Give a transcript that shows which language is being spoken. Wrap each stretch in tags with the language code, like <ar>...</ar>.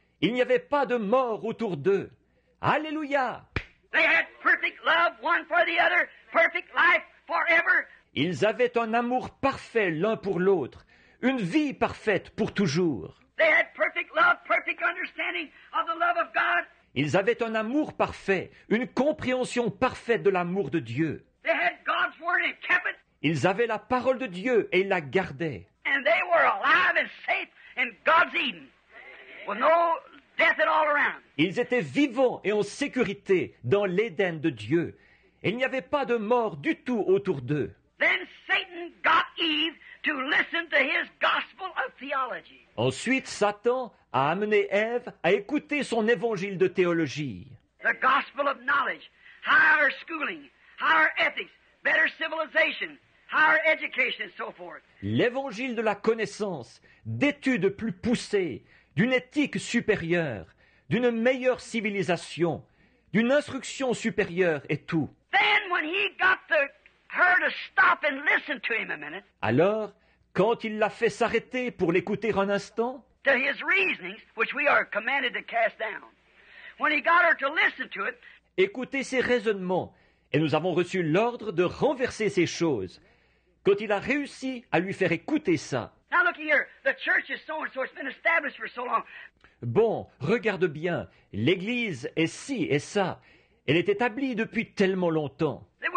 <fr>Il n'y avait pas de mort autour d'eux. Alléluia.</fr> <en>They had perfect love one for the other, perfect life forever.</en> <fr>Ils avaient un amour parfait l'un pour l'autre, une vie parfaite pour toujours.</fr> <en>They had perfect love, perfect understanding of the love of God.</en> <fr>Ils avaient un amour parfait, une compréhension parfaite de l'amour de Dieu.</fr> <en>They had God's word and kept it.</en> <fr>Ils avaient la parole de Dieu et ils la gardaient.</fr> <en>And they were alive and safe in God's Eden. With no death at all around.</en> <fr>Ils étaient vivants et en sécurité dans l'Éden de Dieu. Et il n'y avait pas de mort du tout autour d'eux.</fr> <en>Then Satan got Eve to listen to his gospel of theology.</en> <fr>Ensuite, Satan a amené Ève à écouter son évangile de théologie.</fr> <en>The gospel of knowledge, higher schooling, higher ethics, better civilization, higher education, and so forth.</en> <fr>L'évangile de la connaissance, d'études plus poussées, d'une éthique supérieure, d'une meilleure civilisation, d'une instruction supérieure et tout.</fr> <en>Then when he got the her to stop and listen to him a minute.</en> <fr>Alors, quand il l'a fait s'arrêter pour l'écouter un instant,</fr> <en>to his reasonings, which we are commanded to cast down, when he got her to listen to it,</en> <fr>écouter ses raisonnements, et nous avons reçu l'ordre de renverser ces choses, quand il a réussi à lui faire écouter ça.</fr> <en>Now look here, the church is so and so, it's been established for so long.</en> <fr>Bon, regarde bien, l'église est ci et ça, elle est établie depuis tellement longtemps.</fr>